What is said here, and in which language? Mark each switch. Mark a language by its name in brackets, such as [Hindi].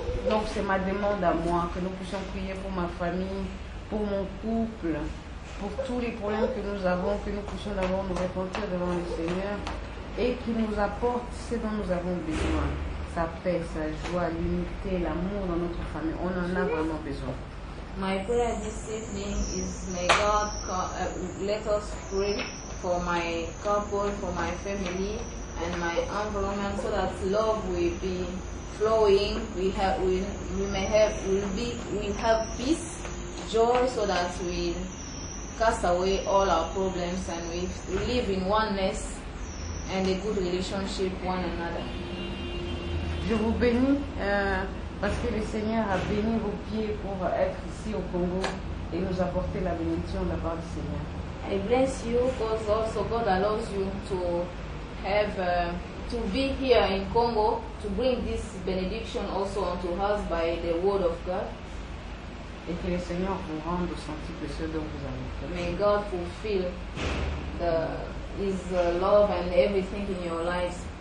[French] Donc c'est ma demande à moi, que nous puissions prier pour ma famille, pour mon couple, pour tous les problèmes que nous avons, que nous puissions d'abord nous repentir devant le Seigneur et qu'il nous apporte ce dont nous avons besoin. Sa paix, sa joie, l'unité, l'amour dans notre famille. On en a vraiment besoin. [English] My prayer this evening is may God let us pray for my couple, for my family and my environment, so that love will be flowing. We have peace, joy, so that we cast away all our problems and we live in oneness and a good relationship with one another. [French] Je vous bénis parce que le Seigneur a béni vos pieds pour être ici au Congo et nous apporter la bénédiction de la part du Seigneur. [English] I bless you because also God allows you to have to be here in Congo to bring this benediction also unto us by the word of God. [French] Et que le Seigneur vous rende senti que ce dont vous avez fait. [English] May God fulfill his love and everything in your lives.